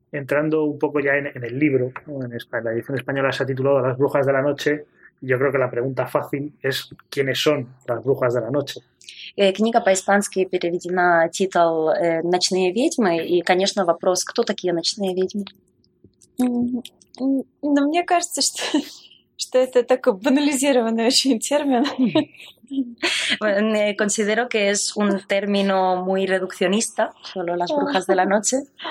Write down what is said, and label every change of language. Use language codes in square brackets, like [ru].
[es] entrando un poco ya en el libro, ¿no? En la edición española se ha titulado Las brujas de la noche. Yo creo que la pregunta fácil es ¿quiénes son las brujas de la noche? [ru] Книга по-испански переведена титул «Ночные ведьмы». И, конечно, вопрос, кто такие ночные ведьмы? Но мне кажется, что это такой банализированный очень термин. [es] Considero que es un término muy reduccionista, solo las brujas de la noche.